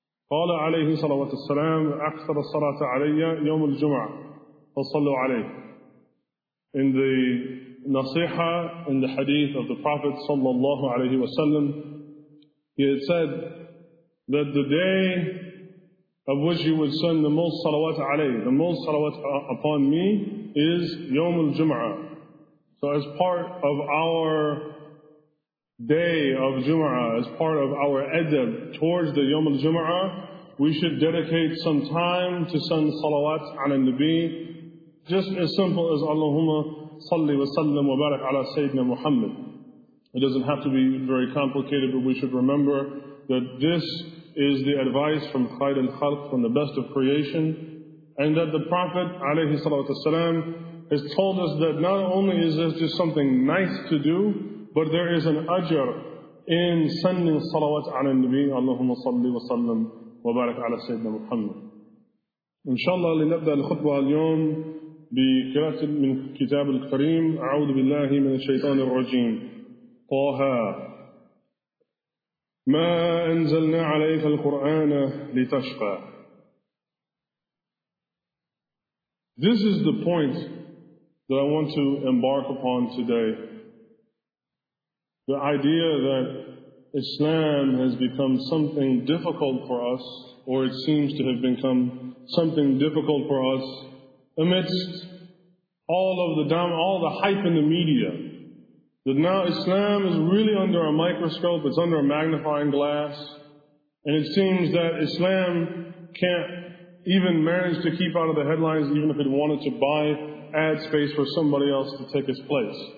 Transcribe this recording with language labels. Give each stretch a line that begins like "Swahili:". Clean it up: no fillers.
Arabic: قال عليه الصلاة والسلام أكثر الصلاة علي يوم الجمعة فصلوا عليه
English: in the nasiha in the hadith of the Prophet sallallahu alayhi wa sallam he had said that the day of which you would send the most salawat alayhi, the most salawat upon me is yawm al-jum'ah. So as part of our day of jum'ah, as part of our adab towards the yawm al-jum'ah, we should dedicate some time to send salawat ala nabi, just as simple as
Arabic: Allahumma salli wa sallam wa barak ala Sayyidina Muhammad.
English: It doesn't have to be very complicated, but we should remember that this is the advice from Khayr al-Khalq, from the best of creation, and that the Prophet alayhi salatu wasalam has told us that not only is this just something nice to do, but there is an ajr in sending salawat ala nabi,
Arabic: Allahumma salli wa sallam wa barak ala Sayyidina Muhammad. Inshallah, linabda al-khutbah al-yawm بقراءة من كتاب الكريم أعوذ بالله من الشيطان الرجيم طه ما أنزلنا عليك القرآن لتشقى.
English: This is the point that I want to embark upon today. The idea that Islam has become something difficult for us, or it seems to have become something difficult for us amidst all the hype in the media, that now Islam is really under a microscope, it's under a magnifying glass, and it seems that Islam can't even manage to keep out of the headlines, even if it wanted to buy ad space for somebody else to take its place.